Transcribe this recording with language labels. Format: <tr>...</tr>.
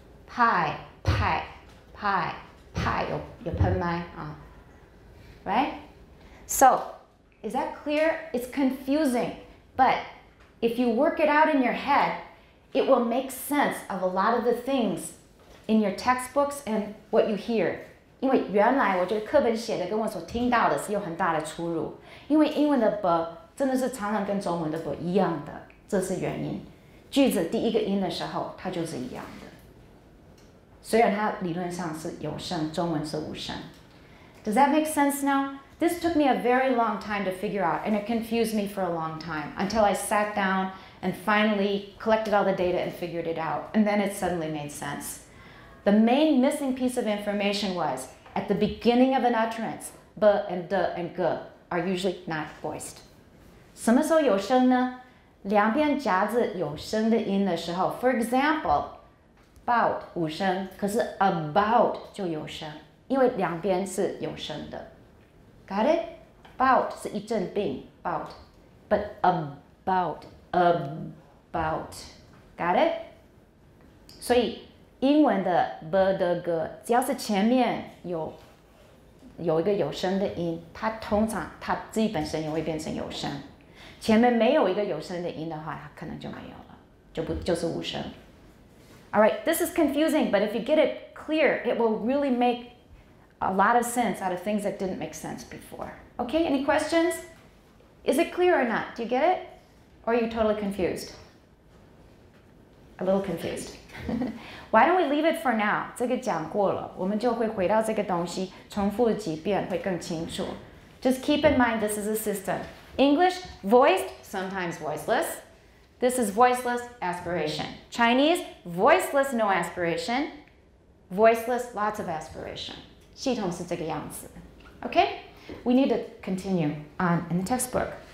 <zh>pi pi pi pi 有喷麦啊 ，right?</zh> <en>So is that clear? It's confusing, but if you work it out in your head, it will make sense of a lot of the things in your textbooks and what you hear.</en> <zh>因为原来我觉得课本写的跟我所听到的是有很大的出入，因为英文的 b 真的是常常跟中文的 b 一样的，这是原因。句子第一个音的时候，它就是一样的。虽然它理论上是有声，中文是无声。</zh> <en>Does that make sense now? This took me a very long time to figure out, and it confused me for a long time until I sat down and finally collected all the data and figured it out, and then it suddenly made sense. The main missing piece of information was at the beginning of an utterance, b and d and g are usually not voiced.</en> <zh>什么时候有声呢？两边夹子有声的音的时候 ，</zh> <en>For example,</en> <zh>about 无声，可是 about 就有声，因为两边是有声的。</zh> <en>Got it? About</en> <zh>是一阵病</zh> <en>，about, but about, about, got it?</en> <zh>所以英文的 b 的 g 只要是前面有一个有声的音，它通常它自己本身也会变成有声。前面没有一个有声的音的话，它可能就没有了，就是无声。</zh> <en>All right, this is confusing, but if you get it clear, it will really make a lot of sense out of things that didn't make sense before. Okay, any questions? Is it clear or not? Do you get it? Or are you totally confused? A little confused. Why don't we leave it for now?</en> <zh>这个讲过了，我们就会回到这个东西，重复几遍会更清楚。</zh> <en>Just keep in mind, this is a system. English, voiced, sometimes voiceless. This is voiceless aspiration. Chinese, voiceless, no aspiration. Voiceless, lots of aspiration.</en> <zh>系统是这个样子。Okay?</zh> <en>We need to continue on in the textbook.</en>